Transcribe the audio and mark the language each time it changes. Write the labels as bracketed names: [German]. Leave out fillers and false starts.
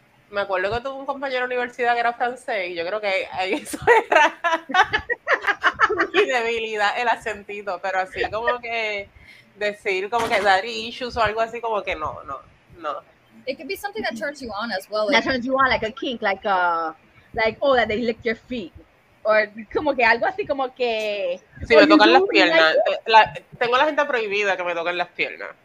[Spanish] Me acuerdo que tuve un compañero de universidad que era francés y yo creo que eso era mi debilidad, el acentito, pero así como que decir como que daddy issues o algo así, como que no, no, no. [English] It could be something that turns you on as well. That turns you on, like a kink, like oh, that they lick your feet. [Spanish] Or como que algo así como que... Si me tocan las piernas. Like, tengo la gente prohibida que me toquen las piernas.